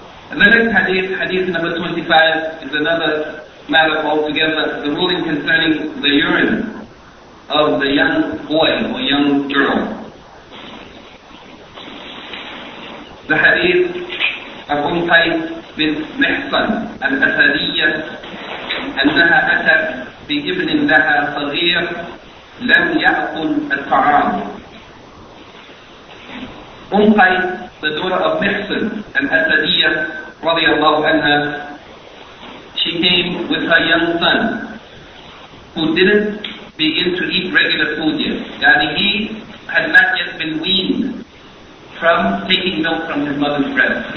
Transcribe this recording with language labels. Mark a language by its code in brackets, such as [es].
[en] And the next hadith number 25, is another matter altogether, the ruling concerning the urine of the young boy or young girl. The hadith of [ar] Umtayt bin Mihsan al-Asadiyyah, أنها أتت بابن لها صغير لم يأكل الطعام. [en] Umtayt, the daughter of Mihsan al-Asadiyyah, رضي الله عنها, she came with her young son who didn't begin to eat regular food yet. Yani he had not yet been weaned from taking milk from his mother's breast.